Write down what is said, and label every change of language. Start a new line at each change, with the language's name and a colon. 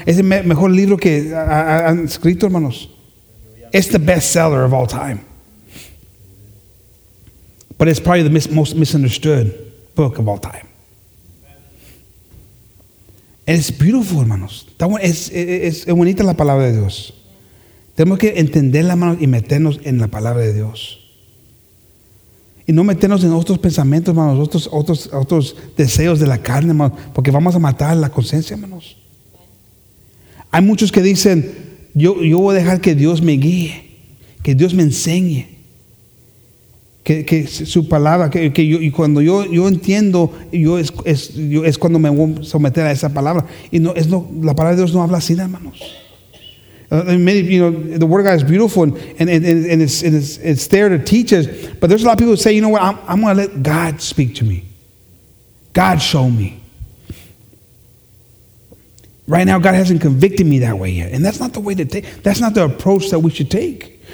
Spanish: Es el mejor libro que han escrito, hermanos.
English: It's the best seller of all time. But it's probably the most misunderstood book of all time.
Spanish: And it's beautiful, hermanos. Es bonita la palabra de Dios. Tenemos que entenderla, hermanos, y meternos en la palabra de Dios. Y no meternos en otros pensamientos, hermanos, otros deseos de la carne, hermanos, porque vamos a matar la conciencia, hermanos. Hay muchos que dicen, yo voy a dejar que Dios me guíe, que Dios me enseñe. Que su palabra, que yo, y cuando yo entiendo, yo es cuando me voy a someter a esa palabra. Y no, es no, la palabra de Dios no habla así, hermanos.
English: The word of God is beautiful and it's there to teach us. But there's a lot of people who say, you know what, I'm going to let God speak to me. God show me. Right now, God hasn't convicted me that way yet. And that's not the way to take, that's not the approach that we should take.